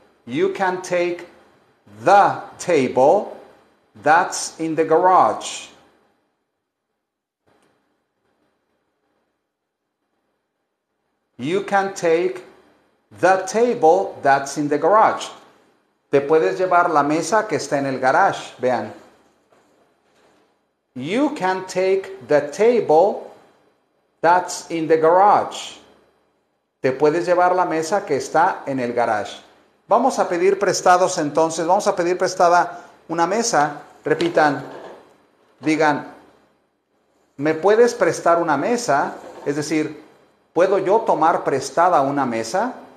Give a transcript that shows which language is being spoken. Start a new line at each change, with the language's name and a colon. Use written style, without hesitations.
English: You can take the table that's in the garage. You can take the table that's in the garage.
Spanish: Te puedes llevar la mesa que está en el garage. Vean.
English: You can take the table that's in the garage.
Spanish: Te puedes llevar la mesa que está en el garage. Vamos a pedir prestados entonces. Vamos a pedir prestada una mesa. Repitan. Digan, ¿me puedes prestar una mesa? Es decir, ¿puedo yo tomar prestada una mesa?